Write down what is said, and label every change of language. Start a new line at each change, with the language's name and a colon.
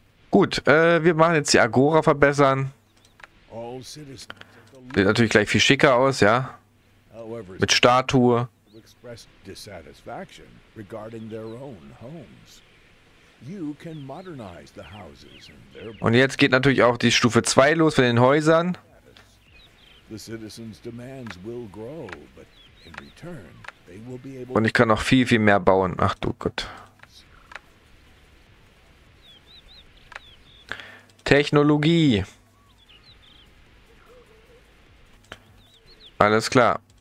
German: Gut, wir machen jetzt die Agora verbessern. Sieht natürlich gleich viel schicker aus, ja. Mit Statue.
English: Expressed dissatisfaction regarding their own homes. You can modernize the houses and their...
German: Und jetzt geht natürlich auch die Stufe 2 los von den Häusern.
English: The citizens' demands will grow, but in return they will be able...
German: Und ich kann noch viel, viel mehr bauen. Ach du Gott. Technologie. Alles klar.